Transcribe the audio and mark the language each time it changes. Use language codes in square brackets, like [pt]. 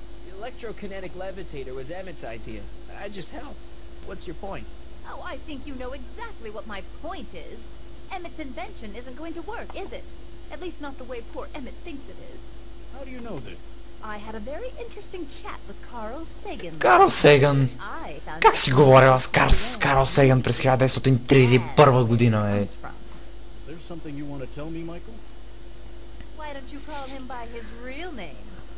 [en] The electrokinetic levitator was Emmett's idea. I just helped. What's your point? Oh, I think you know exactly what my point is. Emmett's invention isn't going to work, is it? At least not the way poor Emmett thinks it is. How do you know that? I had a very interesting chat with Carl Sagan. Carl Sagan. [bg] Как си говорила с Carl Sagan през 1931 година, е? [en] There's something you want to tell me, Michael? Why don't you call him by his real name?